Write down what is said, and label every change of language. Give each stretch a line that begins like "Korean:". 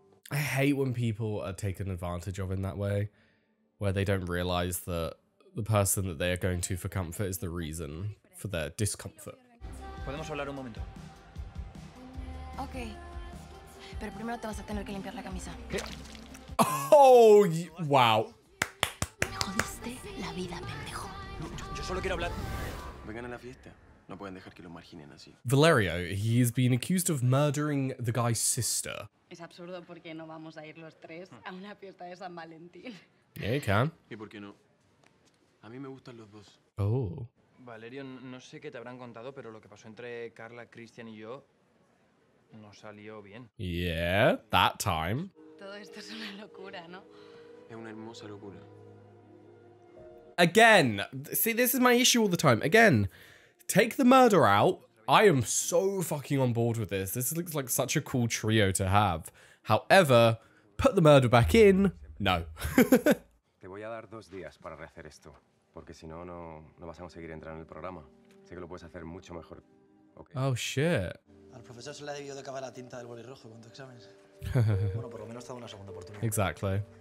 English: I hate when people are taken advantage of in that way, where they don't realize that the person that they are going to for comfort is the reason for their discomfort.
Spanish: Podemos hablar un momento.
English: Okay.
Spanish: Pero primero te vas a tener que limpiar la camisa.
English: Oh, wow.
Spanish: Me jodiste la vida, pendejo. Yo solo quiero hablar. Vengan a la fiesta. No pueden dejar que lo marginen así.
English: Valerio, he has been accused of murdering the guy's sister.
Spanish: Es absurdo porque no vamos a ir los tres a una fiesta de San Valentín.
English: Yeah, you can.
Spanish: ¿Y por qué no? A mí me gustan los dos. Oh. Valerio, no sé qué te habrán contado, pero lo que pasó entre Carla, Christian y yo no salió bien.
English: Yeah, that time.
Spanish: Todo esto es una locura, ¿no? Es una hermosa locura.
English: Again. See, this is my issue all the time. Again. Take the murder out. I am so fucking on board with this. This looks like such a cool trio to have. However, put the murder back in. No.
Spanish: Te voy a dar dos días para rehacer esto, porque si no, no vas a conseguir entrar en el programa. Sé que lo puedes hacer mucho mejor.
English: Oh shit.
Spanish: Al profesor se le ha debido de acabar la tinta del boli rojo con tu examen. Bueno, por lo menos te da una segunda oportunidad.
English: Exactly.